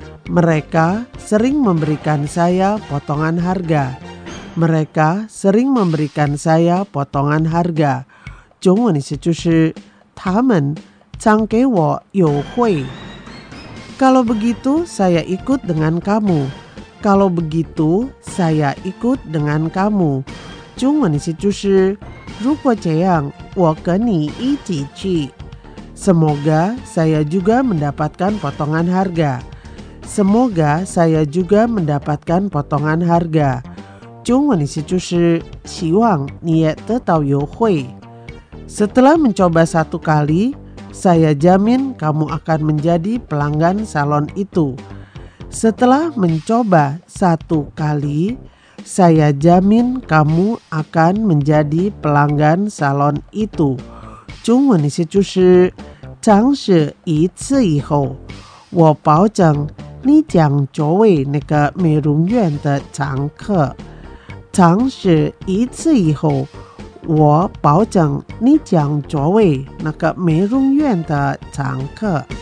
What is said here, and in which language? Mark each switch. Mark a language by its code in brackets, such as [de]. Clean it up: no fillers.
[id] Mereka sering memberikan saya potongan harga， Mereka sering memberikan saya potongan harga [zh] 中文是就是他们常给我优惠。 [id] Kalau begitu saya ikut dengan kamu， Kalau begitu, saya ikut dengan kamu. [zh] 中文的意思就是, 如果这样,我跟你一起去。 [id] Semoga saya juga mendapatkan potongan harga. Semoga saya juga mendapatkan potongan harga. [zh] 中文的意思就是, 希望你也得到优惠。 [id] Setelah mencoba satu kali, saya jamin kamu akan menjadi pelanggan salon itu. Setelah mencoba satu kali, saya jamin kamu akan menjadi pelanggan salon itu. [zh] 中文的意思就是, 尝试一次以后, 我保证你将作为那个美容院的常客。尝试一次以后, 我保证你将作为那个美容院的常客。